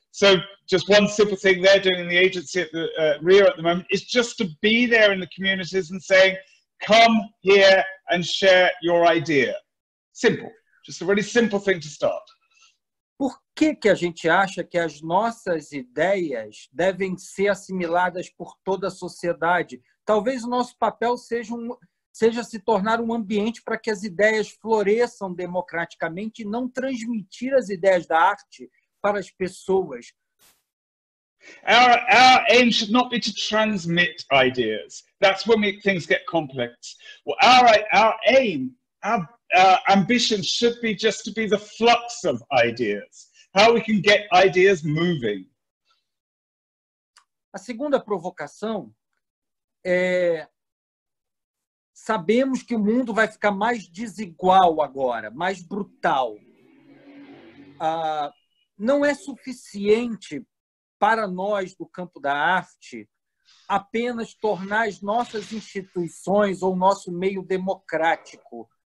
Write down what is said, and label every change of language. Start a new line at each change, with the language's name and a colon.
English: So just one simple thing they're doing in the agency at the RIA at the moment is just to be there in the communities and saying, come here and share your idea. Simple. Just a really simple thing to start.
Portuguese: Por que que a gente acha que as nossas ideias devem ser assimiladas por toda a sociedade? Talvez o nosso papel seja se tornar um ambiente para que as ideias floresçam democraticamente e não transmitir as ideias da arte para as pessoas.
English: Our aim should not be to transmit ideas. That's when things get complex. Well, our ambition should be just to be the flux of ideas. How we can get ideas moving.
Portuguese: A segunda provocação é: sabemos que o mundo vai ficar mais desigual agora, mais brutal. Não é suficiente para nós do campo da arte apenas tornar as nossas instituições ou nosso meio democrático.